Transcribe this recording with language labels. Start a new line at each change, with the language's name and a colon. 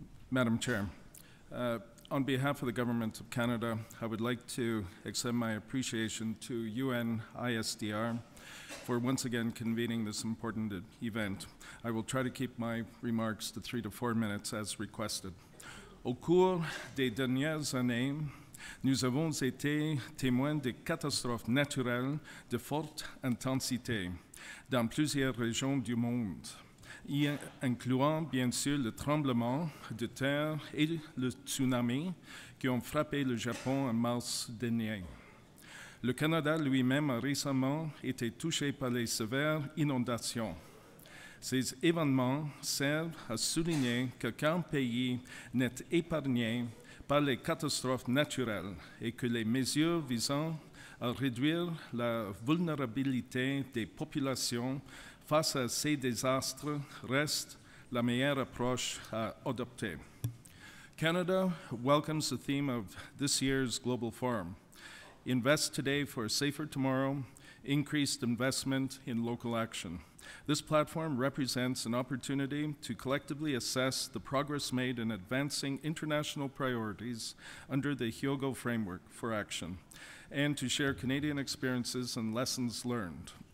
English: Madam Chair, on behalf of the Government of Canada, I would like to extend my appreciation to UNISDR for once again convening this important event. I will try to keep my remarks to 3 to 4 minutes as requested.
French: Au cours des dernières années, nous avons été témoins de catastrophes naturelles de forte intensité dans plusieurs régions du monde, y incluant bien sûr le tremblement de terre et le tsunami qui ont frappé le Japon en mars dernier. Le Canada lui-même a récemment été touché par les sévères inondations. Ces événements servent à souligner qu'aucun pays n'est épargné par les catastrophes naturelles et que les mesures visant à réduire la vulnérabilité des populations face à ces désastres reste la meilleure approche à adopter.
English: Canada welcomes the theme of this year's Global Forum: Invest today for a safer tomorrow, increased investment in local action. This platform represents an opportunity to collectively assess the progress made in advancing international priorities under the Hyogo Framework for Action, and to share Canadian experiences and lessons learned.